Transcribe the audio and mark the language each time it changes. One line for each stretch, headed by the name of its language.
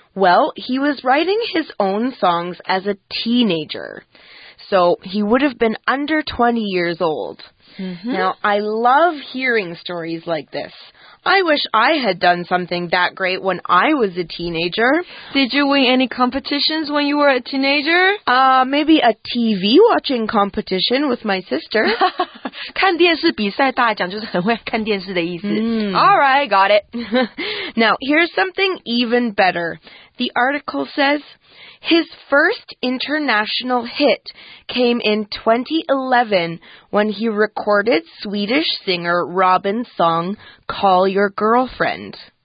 English: Well, he was writing his own songs as a teenager, so he would have been under 20 years old. Mm-hmm. Now, I love hearing stories like this. I wish I had done something that great when I was a teenager. Did you win any competitions when you were a teenager? Maybe a TV watching competition with my sister.
Chinese: 看电视比赛大奖就是很会看电视的意思。
English: All right, got it. Now, here's something even better. The article says, his first international hit came in 2011 when he recorded Swedish singer Robin's song, Call Your Girlfriend.